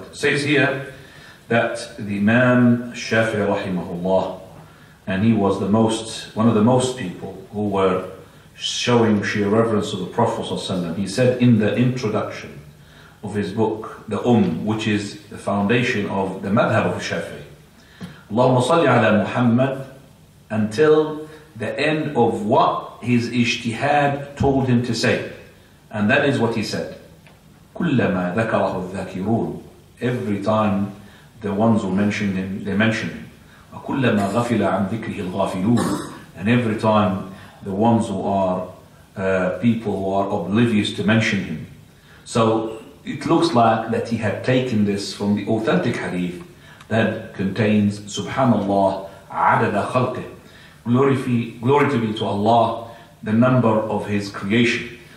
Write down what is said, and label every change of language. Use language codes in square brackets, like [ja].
[en] It says here that the Imam Shafi'i rahimahullah, and he was the most, one of the most people who were showing sheer reverence to the Prophet ﷺ. He said in the introduction of his book, the which is the foundation of the madhab of Shafi'i, [ar] Allahumma salli ala Muhammad, [en] until the end of what his ijtihad told him to say. And that is what he said. [ar] Kullama dhakarahu dhakirun. [en] Every time the ones who mention him, they mention him. [ar] كلما غفل عن ذكره الغافلون. [en] And every time the ones who are people who are oblivious to mention him. So it looks like that he had taken this from the authentic hadith that contains [ar] Subhanallah adada khalqi, [en] glory to be to Allah, the number of his creation.